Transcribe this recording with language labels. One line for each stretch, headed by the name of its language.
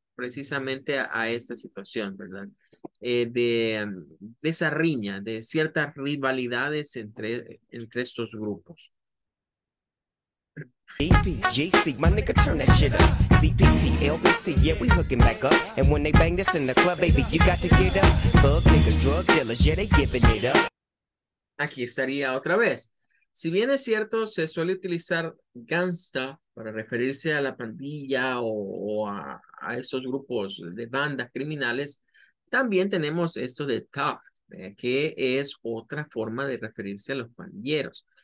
Spanish: precisamente a esta situación, ¿verdad? De esa riña, de ciertas rivalidades entre estos grupos.
English: DPJC, my nigga, turn that shit up. CPT, LBC, yeah, we hooking back up. And when they bang this in the club, baby, you got to get up. Bug niggas, drug dealers, yeah, they giving it up.
Spanish: Aquí estaría otra vez. Si bien es cierto, se suele utilizar gangsta para referirse a la pandilla o a esos grupos de bandas criminales, también tenemos esto de thug, que es otra forma de referirse a los pandilleros.